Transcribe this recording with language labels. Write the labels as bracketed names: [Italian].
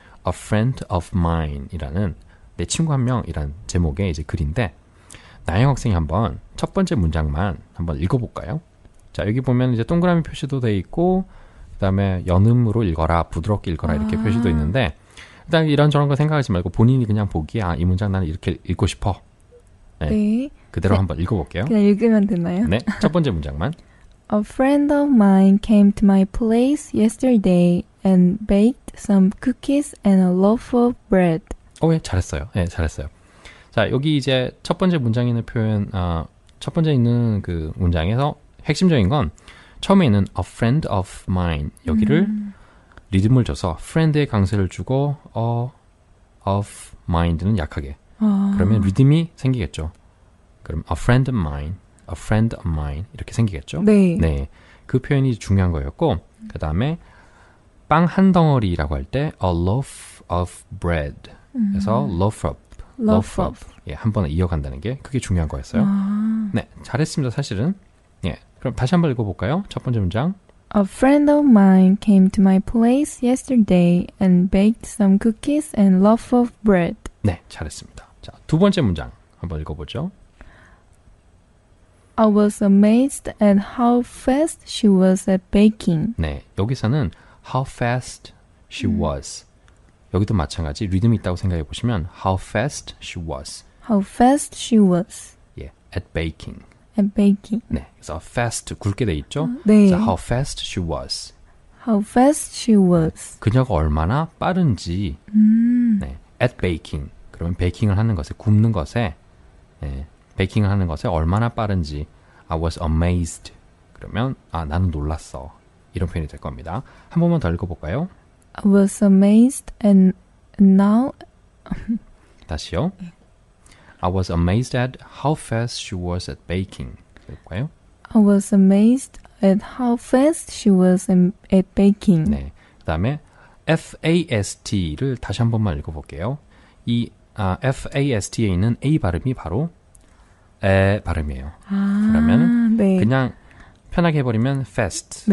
[English] A friend of mine [Korean] 이라는 내 친구 한 명이라는 제목의 이제 글인데, 나영 학생이 한번 첫 번째 문장만 한번 읽어볼까요? 자, 여기 보면 이제 동그라미 표시도 돼 있고, 그 다음에 연음으로 읽어라, 부드럽게 읽어라 아~ 이렇게 표시도 있는데, 일단 이런저런 거 생각하지 말고 본인이 그냥 보기에, 아, 이 문장 나는 이렇게 읽고 싶어. 네. 네. 그대로 네. 한번 읽어볼게요. 그냥 읽으면 되나요? 네. 첫 번째 문장만. [English] A friend of mine came to my place yesterday and baked some cookies and a loaf of bread. [Korean] 오, 예, 잘했어요. 예, 잘했어요. 자, 여기 이제 첫 번째 문장 있는 표현, 첫 번째 있는 그 문장에서 핵심적인 건 처음에는 [English] a friend of mine [Korean] 여기를 리듬을 줘서 friend의 강세를 주고 a of mind는 약하게 아. 그러면 리듬이 생기겠죠. 그럼 [English] a friend of mine, a friend of mine [Korean] 이렇게 생기겠죠. 네. 네. 그 표현이 중요한 거였고 그 다음에 빵 한 덩어리라고 할 때 [English] a loaf of bread [Korean] 그래서 loaf of [English] Love up. [Korean] 예, 한 번에 이어간다는 게 그게 중요한 거였어요. 아. 네, 잘했습니다, 사실은. 예, 그럼 다시 한번 읽어볼까요? 첫 번째 문장. [English] A friend of mine came to my place yesterday and baked some cookies and loaf of bread. [Korean] 네, 잘했습니다. 자, 두 번째 문장 한번 읽어보죠. [English] I was amazed at how fast she was at baking. [Korean] 네, 여기서는 [English] how fast she was. [Korean] 여기도 마찬가지 리듬이 있다고 생각해 보시면 [English] how fast she was. How fast she was. 예, yeah, at baking. At baking. [Korean] 네, 그래서 fast 굵게 돼 있죠. 네. [English] So how fast she was. How fast she was. [Korean] 그녀가 얼마나 빠른지. 네, [English] at baking. [Korean] 그러면 베이킹을 하는 것에 굽는 것에, 예, 베이킹을 하는 것에 얼마나 빠른지. [English] I was amazed. [Korean] 그러면 아 나는 놀랐어. 이런 표현이 될 겁니다. 한 번만 더 읽어볼까요? [English] I was amazed and now [Korean] 다시요. [English] I was amazed at how fast she was at baking. [Korean] 그럴까요? [English] I was amazed at how fast she was at baking. [Korean] 네. 그다음에 FAST를 다시 한 번만 읽어 볼게요. 이 FAST에 있는 A 발음이 바로 에 발음이에요. 아, 그러면 네. 그냥 편하게 해 버리면 fast가